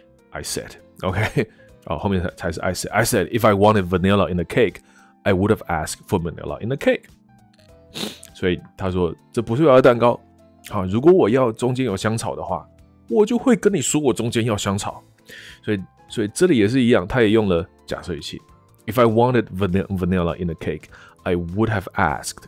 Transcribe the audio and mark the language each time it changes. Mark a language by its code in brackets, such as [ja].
[en] I said, OK， [zh] 后面才是 [en] I said, if I wanted vanilla in the cake, I would have asked for vanilla in the cake. [zh] 所以他说，这不是我要的蛋糕。好，如果我要中间有香草的话，我就会跟你说我中间要香草。所以这里也是一样，他也用了假设语气。 [en] If I wanted vanilla in the cake, I would have asked.